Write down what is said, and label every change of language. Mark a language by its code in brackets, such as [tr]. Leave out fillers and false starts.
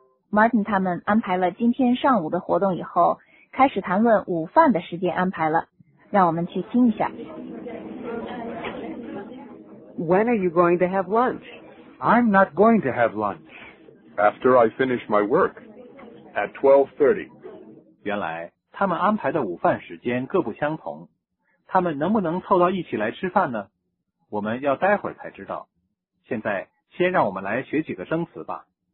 [zh] Martin 他们安排了今天上午的活动以后，开始谈论午饭的时间安排了。让我们去听一下。 [en] When are you going to have lunch? I'm not going to have lunch. After I finish my work, at 12:30. [zh] 原来他们安排的午饭时间各不相同，他们能不能凑到一起来吃饭呢？我们要待会儿才知道。现在先让我们来学几个生词吧。